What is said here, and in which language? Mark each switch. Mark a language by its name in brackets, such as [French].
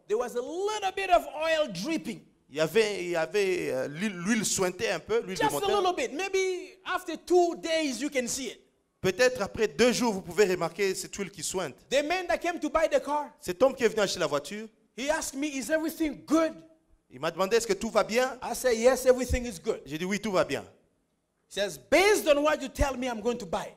[English] There was a little bit of oil dripping. [French] Il y avait l'huile suintait un peu, l'huile [English] Just [French] du moteur. [English] A little bit. Maybe after 2 days you can see it. [French] Peut-être après 2 jours, vous pouvez remarquer cette huile qui suinte. [English] The man that came to buy the car, [French] cet homme qui est venu acheter la voiture, [English] he asked me, is everything good? [French] Il m'a demandé, est-ce que tout va bien? [English] I said, yes, everything is good. [French] J'ai dit, oui, tout va bien. [English] He says, based on what you tell me, I'm going to buy.